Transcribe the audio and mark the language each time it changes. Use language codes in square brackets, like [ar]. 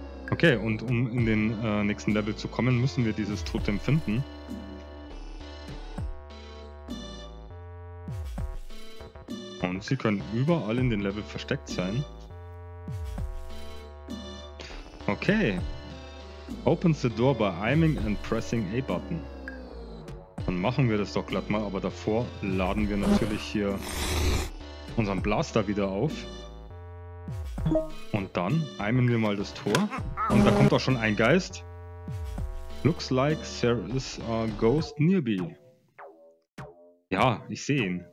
[de] Okay, und um in den nächsten Level zu kommen, müssen wir dieses Totem finden. Und sie können überall in den Level versteckt sein. Okay. [en] Open the door by aiming and pressing A button. [de] Dann machen wir das doch glatt mal, aber davor laden wir natürlich hier unseren Blaster wieder auf. Und dann eimen wir mal das Tor. Und da kommt auch schon ein Geist. [en] Looks like there is a ghost nearby. [de] Ja, ich sehe ihn.